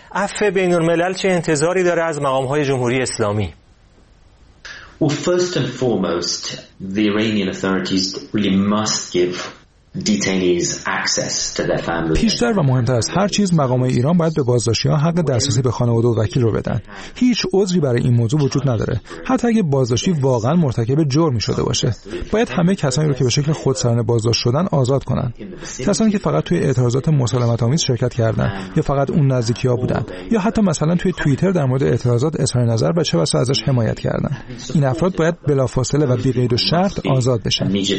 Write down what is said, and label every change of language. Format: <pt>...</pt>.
<fa>عفو بین الملل چه انتظاری داره از مقام‌های جمهوری اسلامی؟</fa> <en>Well, first and foremost, the Iranian authorities really must give detainees access to their families.</en> <fa>پیشتر و مهمتر از هر چیز، مقام ایران باید به بازداشتی‌ها حق دسترسی به خانواده و وکیل رو بدن. هیچ عذری برای این موضوع وجود نداره. حتی اگه بازداشتی واقعا مرتکب جرمی شده باشه، باید همه کسانی رو که به شکل خودسرانه بازداشت شدن آزاد کنن. کسانی که فقط توی اعتراضات مسالمت‌آمیز شرکت کردن یا فقط اون نزدیکی‌ها بودن یا حتی مثلا توی توییتر در مورد اعتراضات اظهار نظر و چه بسا ازش حمایت کردن، این افراد باید بلافاصله و بی‌قید و شرط آزاد بشن.</fa>